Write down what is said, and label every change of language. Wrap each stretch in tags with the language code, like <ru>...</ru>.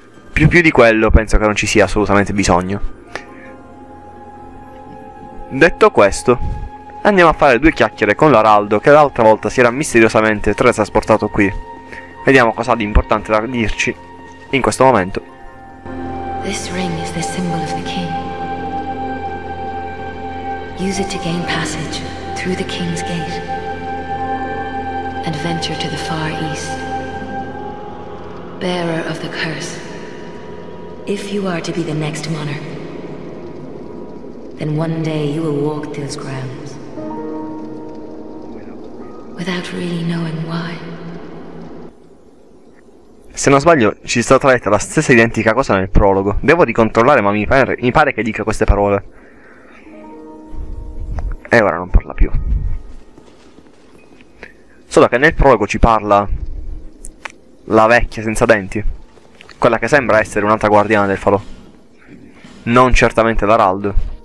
<it>Più di quello penso che non ci sia assolutamente bisogno. Detto questo, andiamo a fare due chiacchiere con l'Araldo, che l'altra volta si era misteriosamente teletrasportato qui. Vediamo cosa ha di importante da dirci in questo momento.</it> <en>This ring is the symbol of the king. Use it to gain passage through the king's gate and venture to the far east. Bearer of the curse, if you are to be the next monarch, then one day you will walk those grounds without really knowing why.</en> <it>Se non sbaglio, ci sta traendo la stessa identica cosa nel prologo. Devo ricontrollare, ma mi pare che dica queste parole. E ora non parla più. Solo che nel prologo ci parla la vecchia senza denti, quella che sembra essere un'altra guardiana del falò, non certamente l'Araldo.</it>